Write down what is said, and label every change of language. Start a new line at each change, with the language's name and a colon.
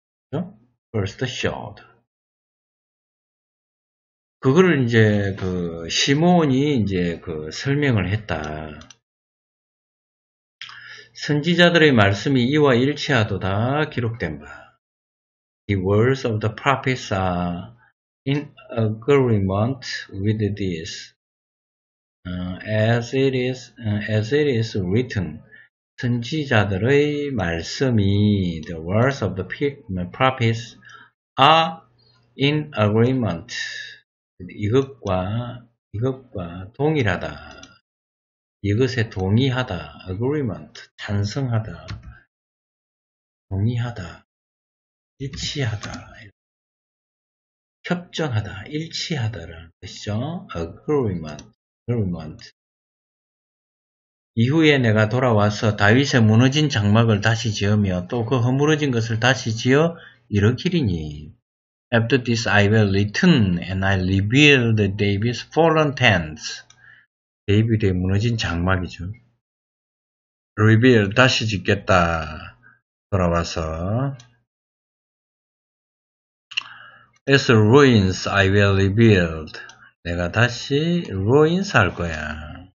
Korean: 그렇죠?
English: First shot.
Korean: 그거를 이제 그 시몬이 이제 그 설명을 했다. 선지자들의 말씀이 이와 일치하도다 기록된 바.
English: The words of the prophets are in agreement with this. As it is written,
Korean: 선지자들의 말씀이,
English: the words of the prophets are in agreement.
Korean: 이것과 동일하다. 이것에 동의하다. agreement. 찬성하다. 동의하다. 일치하다. 협정하다. 일치하다라는 뜻이죠. agreement. 이후에 내가 돌아와서 다윗의 무너진 장막을 다시 지으며 또그 허물어진 것을 다시 지어 일으키리니.
English: After this I will return and I rebuild David's fallen tents.
Korean: 데이비드의 무너진 장막이죠. Rebuild, 다시 짓겠다. 돌아와서.
English: As ruins I will rebuild.
Korean: 내가 다시 ruins 할 거야.